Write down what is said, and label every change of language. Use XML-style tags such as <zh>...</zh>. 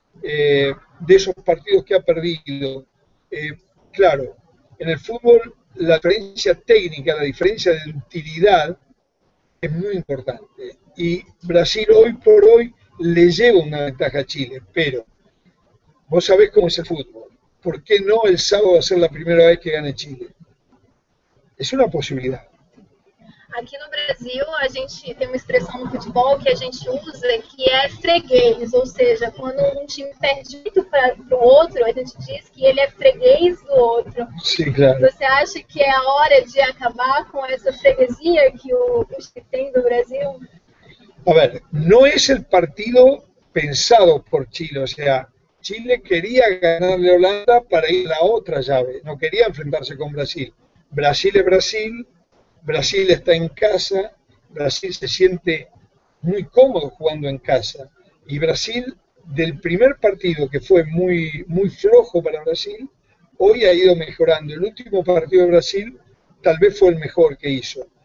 <es>de esos partidos que ha perdido. Claro, en el fútbol la diferencia técnica, la diferencia de utilidad es muy importante. Y Brasil hoy por hoy le lleva una ventaja a Chile, pero vos sabés cómo es el fútbol. ¿Por qué no el sábado va a ser la primera vez que gane Chile? Es una posibilidad.</es> <pt>Aqui no Brasil, a gente tem uma expressão no futebol que a gente usa, que é freguês, ou seja, quando um time perde muito para o outro, a gente diz que ele é freguês do outro. Sim, claro. Você acha que é a hora de acabar com essa freguesia que o Chile tem do Brasil?</pt> <es>A ver,</es> <pt>não é o partido pensado por Chile, ou seja, Chile queria ganhar a Holanda para ir à outra chave, não queria enfrentar-se com Brasil. Brasil é Brasil,</pt> <es>Brasil está en casa, Brasil se siente muy cómodo jugando en casa. Y Brasil, del primer partido que fue muy, muy flojo para Brasil, hoy ha ido mejorando. El último partido de Brasil tal vez fue el mejor que hizo.</es>